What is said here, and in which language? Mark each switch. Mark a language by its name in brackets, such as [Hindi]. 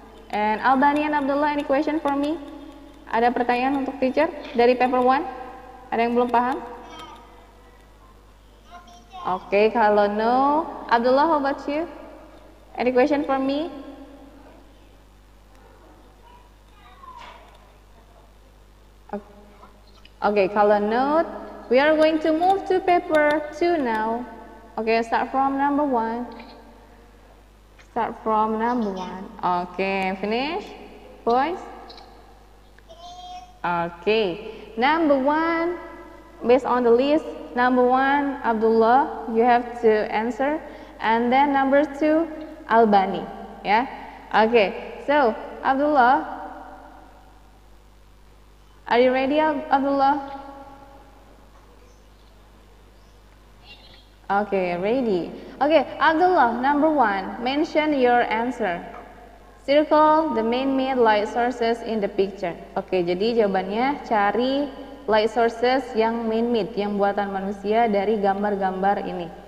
[English] And Albani and Abdullah, any question for me? [Indonesian] Ada pertanyaan untuk teacher dari paper 1? Ada yang belum paham? [English] Oke, okay, kalau no, Abdullah, how about you? Any question for me? Okay, kalau no, we are going to move to paper 2 now. Okay, start from number 1. Start from number 1. Okay, finish, boys. Okay, number 1, based on the list, number 1, Abdullah, you have to answer, and then number 2, Albani, yeah? Okay, so, Abdullah, are you ready, Abdullah? Okay, ready. Okay, Abdullah, number 1, mention your answer. Circle the man-made light sources in the picture. [Indonesian] Oke, okay, jadi jawabannya cari light sources yang man-made, yang buatan manusia dari gambar-gambar ini.